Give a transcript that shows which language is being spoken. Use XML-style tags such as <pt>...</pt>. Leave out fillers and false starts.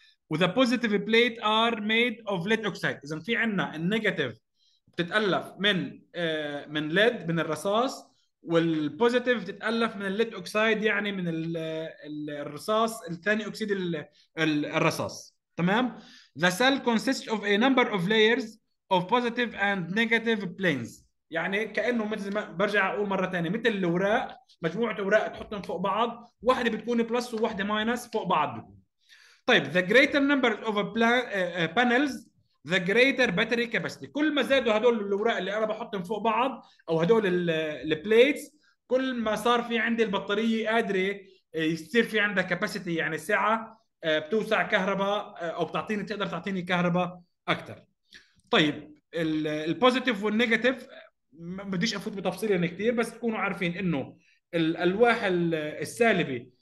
<en>with the positive plate are made of lead oxide,</en> <ar>اذا في عندنا النيجاتيف بتتالف من ليد من الرصاص، والبوزيتيف بتتالف من الليد اوكسايد يعني من الرصاص الثاني اكسيد الرصاص. تمام.</ar> <en>The cell consists of a number of layers of positive and negative planes.</en> <ar>يعني كانه مثل ما برجع اقول مره ثانيه، مثل الاوراق، مجموعه اوراق تحطهم فوق بعض، واحده بتكون بلس وواحده ماينس، فوق بعض بيكون. طيب</ar> <en>the greater number of panels the greater battery capacity.</en> <ar>كل ما زادوا هدول الاوراق اللي انا بحطهم فوق بعض او هدول البليتس، كل ما صار في عندي البطاريه قادره يصير في عندها capacity، يعني سعه بتوسع كهرباء او بتعطيني، تقدر تعطيني كهرباء اكثر. طيب البوزيتيف والنيجاتيف ما بديش افوت بتفصيل يعني كثير، بس تكونوا عارفين انه الالواح السالبه.</ar>